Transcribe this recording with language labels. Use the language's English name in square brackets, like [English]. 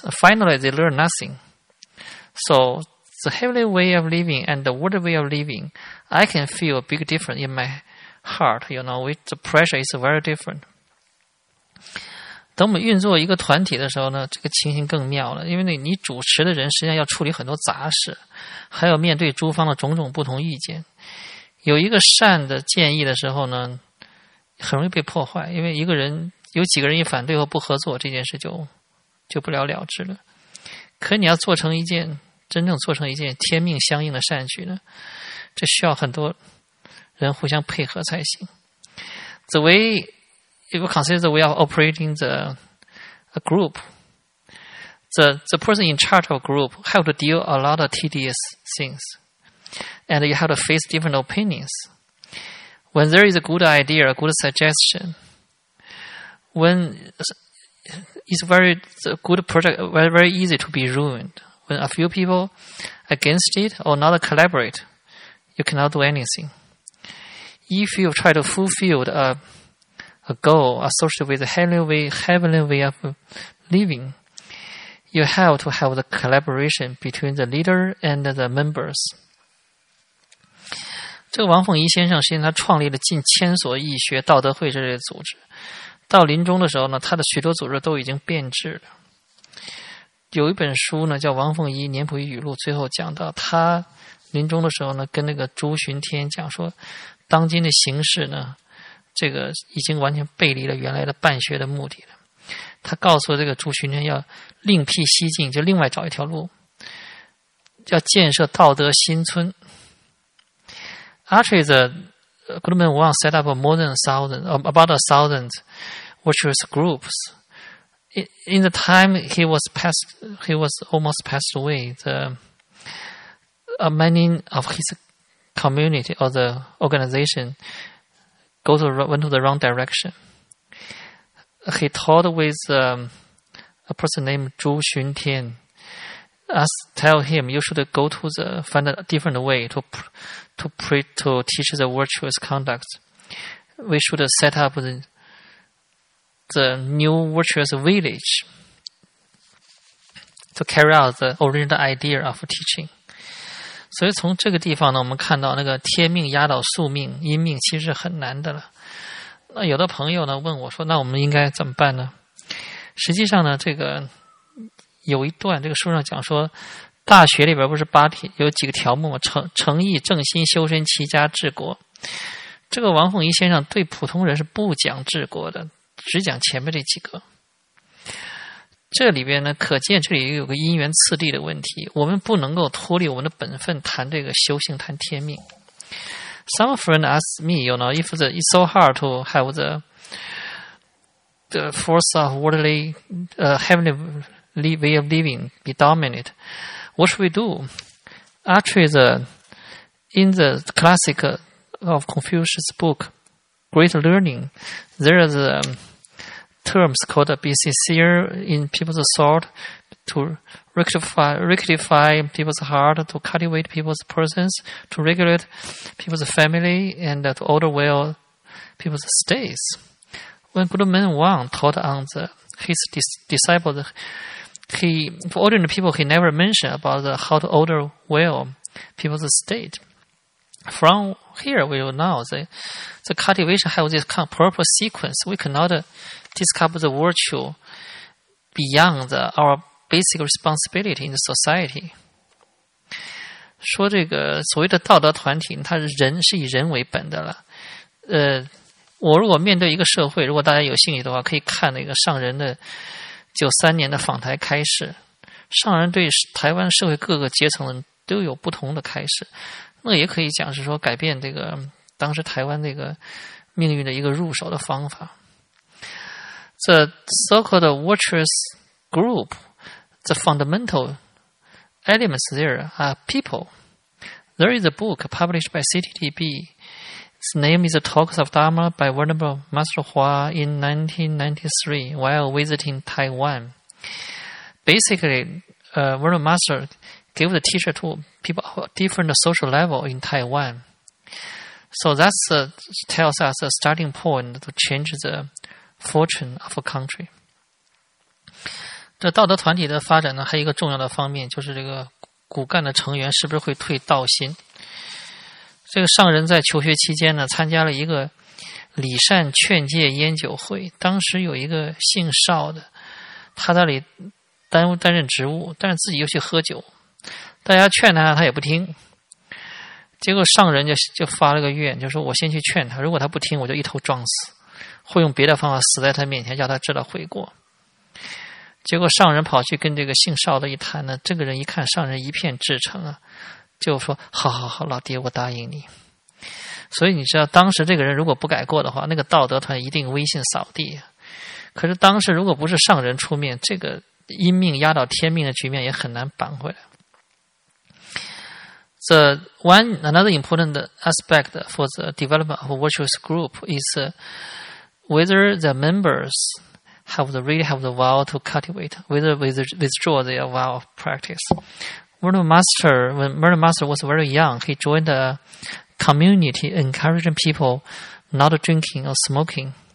[English] Finally, they learn nothing. So, the heavenly way of living and the world way of living, I can feel a big difference in my heart, you know, with the pressure is very different. [Chinese] 等我们运作一个团体的时候呢，这个情形更妙了，因为你主持的人实际上要处理很多杂事，还要面对诸方的种种不同意见。有一个善的建议的时候呢，很容易被破坏，因为一个人有几个人一反对或不合作，这件事就不了了之了。可你要做成一件，真正做成一件天命相应的善举呢，这需要很多人互相配合才行。 [English] The way you consider the way of operating the group, the person in charge of group have to deal a lot of tedious things, and you have to face different opinions. When there is a good idea, a good suggestion, when it's very a good project, very, very easy to be ruined. When a few people against it or not collaborate, you cannot do anything. If you try to fulfill a goal associated with the heavenly way of living, you have to have the collaboration between the leader and the members. [Chinese] 这个王凤仪先生实际上他创立了近千所义学道德会这类组织，到临终的时候呢，他的许多组织都已经变质了。有一本书呢叫《王凤仪年谱与语录》，最后讲到他临终的时候呢，跟那个朱寻天讲说，当今的形势呢，这个已经完全背离了原来的办学的目的了。他告诉这个朱寻天要另辟蹊径，就另外找一条路，要建设道德新村。 [English] Actually, the Goodman Wang set up about a thousand virtuous groups. In the time he was almost passed away, many of his community or the organization went to the wrong direction. He talked with a person named Zhu Xuntian, tell him you should go to find a different way to teach the virtuous conduct. We should set up the new virtuous village to carry out the original idea of teaching. [Chinese] 所以从这个地方呢，我们看到那个天命压倒宿命，因命其实很难的了。那有的朋友呢问我说，那我们应该怎么办呢？实际上呢，这个有一段这个书上讲说，大学里边不是有几个条目吗？诚意、正心、修身、齐家、治国。这个王凤仪先生对普通人是不讲治国的，只讲前面这几个。这里边呢，可见这里有个因缘次第的问题，我们不能够脱离我们的本分谈这个修行、谈天命。 [English] Some friend asked me, you know, if it's so hard to have the force of worldly heavenly way of living be dominant, what should we do? Actually, in the classic of Confucius book Great Learning, there is terms called be sincere in people's thought, to rectify people's heart, to cultivate people's persons, to regulate people's family, and to order well people's stays. When Goodman Wang taught on his disciples, for ordinary people, he never mentioned about how to order well people's state. From here, we will know the cultivation has this proper sequence. We cannot discover the virtue beyond our basic responsibility in the society. [Chinese] 说这个所谓的道德团体，它人是以人为本的了。我如果面对一个社会，如果大家有兴趣的话，可以看那个上人的93年的访台开示。上人对台湾社会各个阶层都有不同的开示，那也可以讲是说改变这个当时台湾这个命运的一个入手的方法。 [English] The so-called virtuous group, the fundamental elements there are people. There is a book published by CTTB. Its name is Talks of Dharma by Venerable Master Hua in 1993 while visiting Taiwan. Basically, Venerable Master gave the teacher to people of different social level in Taiwan. So that tells us a starting point to change the fortune of a country. [Chinese] 这道德团体的发展呢，还有一个重要的方面，就是这个骨干的成员是不是会退道心。这个上人在求学期间呢，参加了一个李善劝诫烟酒会，当时有一个姓邵的，他那里担任职务，但是自己又去喝酒，大家劝他他也不听，结果上人就发了个愿，就说我先去劝他，如果他不听我就一头撞死，会用别的方法死在他面前，叫他知道悔过。结果上人跑去跟这个姓邵的一谈呢，这个人一看上人一片至诚啊，就说好好好，老爹我答应你。所以你知道当时这个人如果不改过的话，那个道德团一定威信扫地。可是当时如果不是上人出面，这个因命压倒天命的局面也很难扳回来。 [English] The one another important aspect for the development of a virtuous group is whether the members really have the vow to cultivate, whether withdraw their vow of practice. When Murdo Master was very young, he joined a community encouraging people not drinking or smoking.